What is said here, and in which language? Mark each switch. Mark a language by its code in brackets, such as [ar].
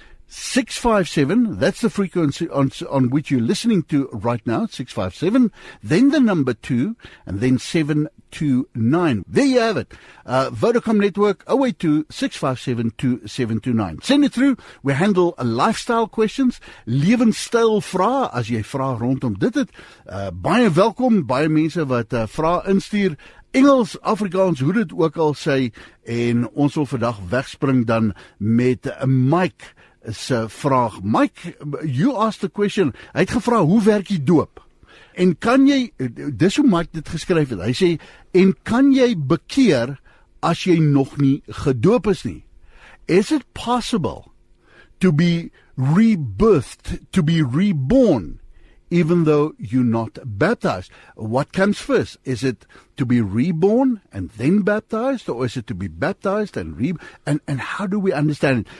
[en] 082-657, that's the frequency on which you're listening to right now, 657, then the number 2, and then 729. There you have it. Vodacom Network, 082-657-2729. Send it through. We handle lifestyle questions. [af] Levensstyl vraag, as jy vraag rondom dit het. Baie welkom, baie mense wat vraag instuur. Engels, Afrikaans, hoe dit ook al sê, en ons wil vandag wegspring dan met Mike. Se vraag, Mike, [en] you asked the question, [af] hy het gevra, hoe werk die doop? En kan jy, dis hoe Mike dit geskryf het, hy sê, en kan jy bekeer, as jy nog nie gedoop is nie? [en] Is it possible to be rebirthed, to be reborn, even though you're not baptized? What comes first? Is it to be reborn and then baptized, or is it to be baptized and and how do we understand it?